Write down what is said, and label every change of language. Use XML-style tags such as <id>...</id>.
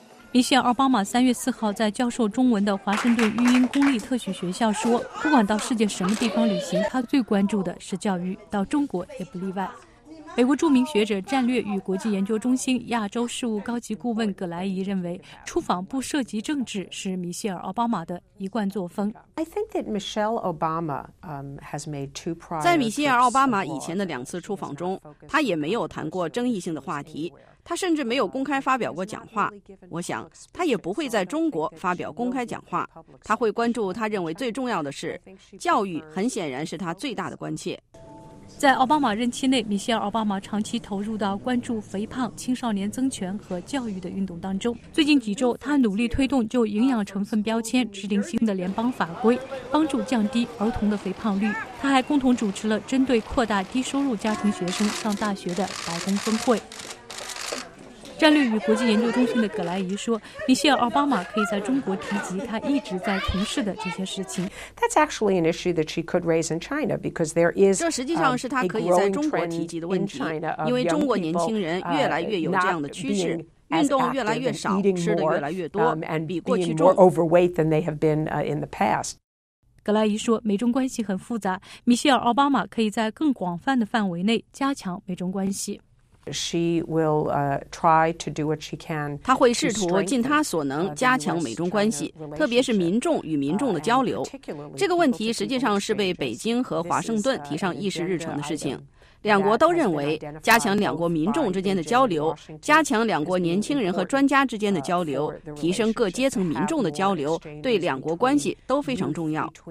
<zh>米歇尔·奥巴马3月4号在教授中文的华盛顿育英公立特许学校说，不管到世界什么地方旅行，他最关注的是教育，到中国也不例外。美国著名学者、战略与国际研究中心亚洲事务高级顾问葛莱仪认为，出访不涉及政治是米歇尔·奥巴马的一贯作风。</zh> <en>I think that Michelle Obama has made two prior.</en> <zh>在米歇尔·奥巴马以前的两次出访中，他也没有谈过争议性的话题，他甚至没有公开发表过讲话。我想，他也不会在中国发表公开讲话。他会关注他认为最重要的事，教育很显然是他最大的关切。在奥巴马任期内，米歇尔·奥巴马长期投入到关注肥胖、青少年增权和教育的运动当中。最近几周，他努力推动就营养成分标签制定新的联邦法规，帮助降低儿童的肥胖率。他还共同主持了针对扩大低收入家庭学生上大学的白宫峰会。战略与国际研究中心的葛莱仪说，米歇尔·奥巴马可以在中国提及他一直在从事的这些事情。</zh> <en>That's actually an issue that she could raise in China because there is.</en> <zh>这实际上是他可以在中国提及的问题，因为中国年轻人越来越有这样的趋势，运动越来越少，吃的越来越多，比过去重。</zh> <en>More overweight than they have been in the past.</en> <zh>葛莱仪说，美中关系很复杂，米歇尔·奥巴马可以在更广泛的范围内加强美中关系。</zh> <en>She will try to do what she can.</en> <zh>她会试图尽她所能加强美中关系，特别是民众与民众的交流。这个问题实际上是被北京和华盛顿提上议事日程的事情。两国都认为，加强两国民众之间的交流，加强两国年轻人和专家之间的交流，提升各阶层民众的交流，对两国关系都非常重要。</zh>